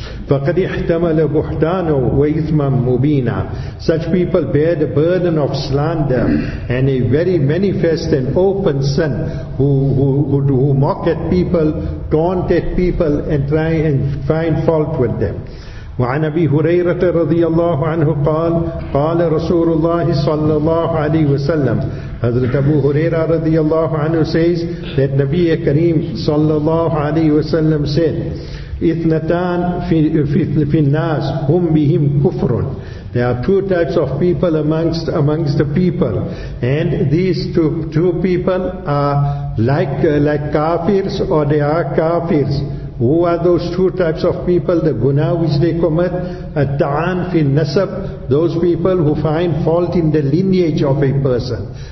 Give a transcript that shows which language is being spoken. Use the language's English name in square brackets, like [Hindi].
[Arabic] فَقَدْ احْتَمَلَ بُحْتَانُ وَإِثْمًا مُبِينًا. [English] Such people bear the burden of slander and a very manifest and open sin, who mock at people, taunt at people, and try and find fault with them. [Arabic] وعن أبي هريرة رضي الله عنه قال قال رسول الله صلى الله عليه وسلم. Hazrat Abu Huraira رضي الله عنه [English] says that [Arabic] نبي كريم صلى الله عليه وسلم [English] said, [Arabic] إثنتان في الناس هم بهم كفر. [English] There are two types of people amongst the people, and these two people are like kafirs, or they are kafirs. Who are those two types of people? The guna which they commit, at-ta'an fi nasab, those people who find fault in the lineage of a person.